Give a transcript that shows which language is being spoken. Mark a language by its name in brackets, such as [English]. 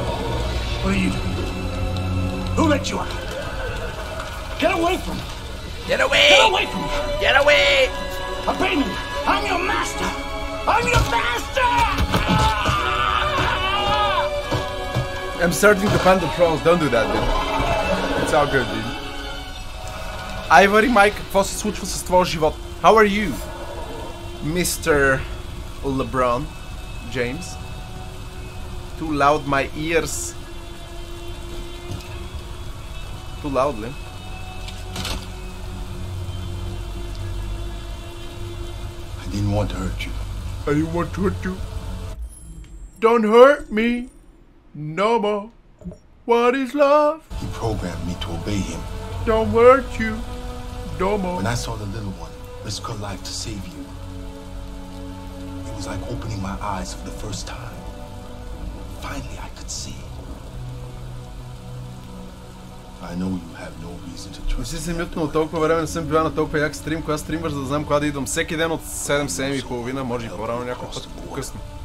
[English] Who let you out? Get away from me! Get away! Get away from me! Get away! Obey me! I'm your master! I'm your master! I'm starting to find the trolls. Don't do that, dude. It's all good, dude. [Bulgarian] Айвари, Майк, какво се случва с твоя живот? [English] How are you, Mr. LeBron James? Too loud my ears. Too loudly. I didn't want to hurt you. I didn't want to hurt you. Don't hurt me no more. What is love? He programmed me to obey him. Don't hurt you no more. When I saw the little one risk her life to save you, it was like opening my eyes for the first time. Finally, I could see. I know you have no reason to trust. [Bulgarian] Не си се мютнал толкова време, не съм била на толкова як стрим, кога стримваш, за да знам кога да идвам. Всеки ден от 7-7 и половина, може и по-рано някой път късно.